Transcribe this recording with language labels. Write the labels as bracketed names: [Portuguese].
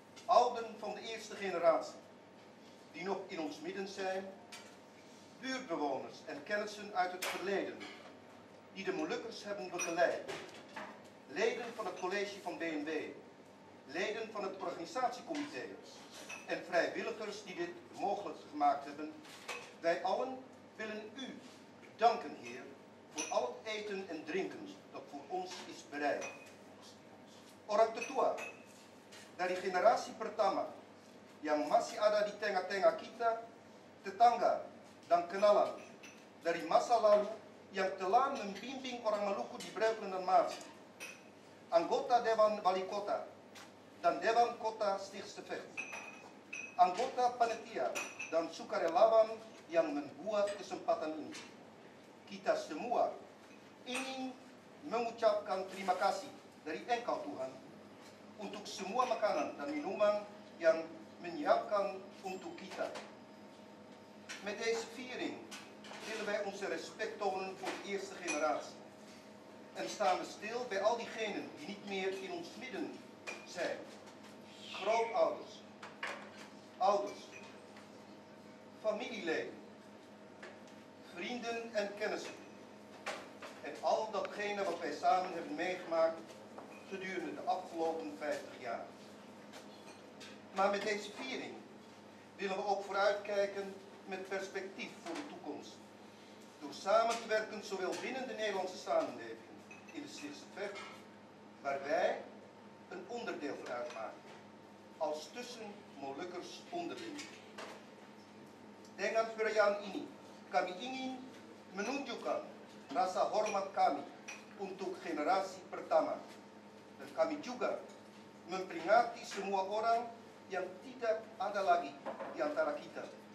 [Dutch] Ouden van de eerste generatie die nog in ons midden zijn, buurtbewoners en kennissen uit het verleden die de Molukkers hebben begeleid, leden van het college van BNW, leden van het organisatiecomité en vrijwilligers die dit mogelijk gemaakt hebben, wij allen willen u danken, Heer, voor al het eten en drinken dat voor ons is bereid. [Indonesian] Orang tetua dari generasi pertama yang masih ada di tengah-tengah kita, tetangga dan kenalan dari masa lalu yang telah membimbing orang Maluku di Breukelen dan Maarsen, anggota Dewan Wali Kota dan Dewan Kota Stichtsevecht, anggota panitia dan sukarelawan yang membuat kesempatan ini, kita semua ingin mengucapkan terima kasih dari Engkau Tuhan untuk semua makanan dan minuman yang menyiapkan untuk kita. [Dutch] Met deze viering willen wij onze respect tonen voor de eerste generatie en staan we stil bij al diegenen die niet meer in ons midden zijn. Grootouders, ouders, familieleden, vrienden en kennissen en al datgene wat wij samen hebben meegemaakt gedurende de afgelopen 50 jaar. Maar met deze viering willen we ook vooruitkijken met perspectief voor de toekomst. Door samen te werken zowel binnen de Nederlandse samenleving in de Stichtsevecht, waar wij een onderdeel van uitmaken, als tussen Molukkers onderling. [Indonesian] Denk aan Furayan Ini, kami ingin menunjukkan rasa hormat kami untuk generasi pertama. Dan kami juga memperingati semua orang yang tidak ada lagi di antara kita.